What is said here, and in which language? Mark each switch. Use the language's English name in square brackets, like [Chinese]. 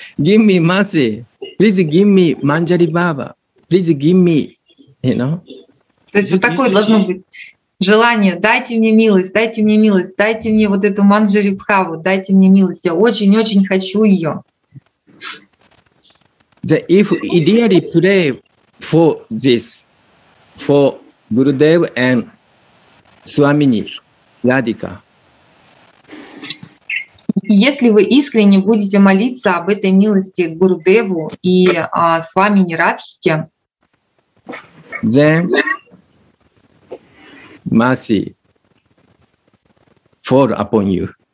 [English] Give me mercy. Please give me Manjari Baba. Please give me, you know. [Russian] То есть вот такое должно быть. Желание, дайте мне милость, дайте мне милость, дайте мне вот эту Манджари Бхаву, дайте мне милость, я очень-очень хочу ее. [English] The, if we really pray for this, for Gurudev and Swamini, Radhika. [Russian] Если вы искренне будете молиться об этой милости Гурудеву и Свамини Радхике, [English] then mercy fall upon you.